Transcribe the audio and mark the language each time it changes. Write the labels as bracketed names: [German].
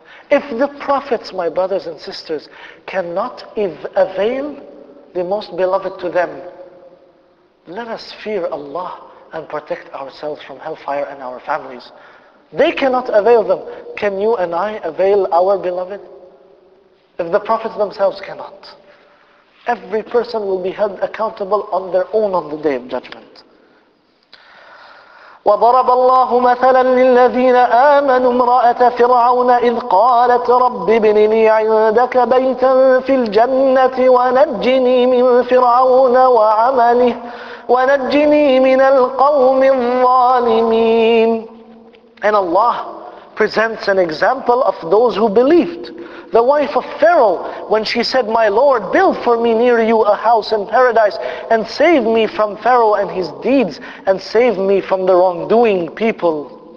[English] If the prophets, my brothers and sisters, cannot avail the most beloved to them, let us fear Allah and protect ourselves from hellfire and our families. They cannot avail them. Can you and I avail our beloved? If the prophets themselves cannot, every person will be held accountable on their own on the day of judgment. [Arabic] وضرب الله مثلا للذين آمنوا امرأة فرعون إذ قالت رب ابن لي عندك بيتا في الجنة ونجني من فرعون وعمله ونجني من القوم الظالمين. [English] And Allah presents an example of those who believed. The wife of Pharaoh, when she said, "My Lord, build for me near you a house in paradise and save me from Pharaoh and his deeds and save me from the wrongdoing people."